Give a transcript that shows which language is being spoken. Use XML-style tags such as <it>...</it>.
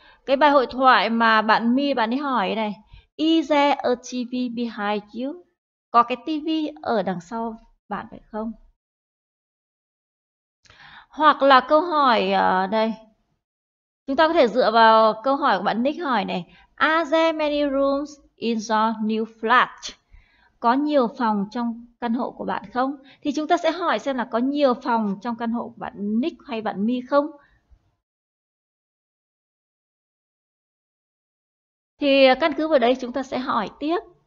<vi>Cái bài hội thoại mà bạn My bạn ấy hỏi này.</vi> <en>Is there a TV behind you?</en> <vi>Có cái TV ở đằng sau bạn phải không? Hoặc là câu hỏi đây, chúng ta có thể dựa vào câu hỏi của bạn Nick hỏi này.</vi> <en>Are there many rooms in your new flat?</en> <vi>Có nhiều phòng trong căn hộ của bạn không? Thì chúng ta sẽ hỏi xem là có nhiều phòng trong căn hộ của bạn Nick hay bạn My không? Thì căn cứ vào đấy chúng ta sẽ hỏi tiếp.</vi>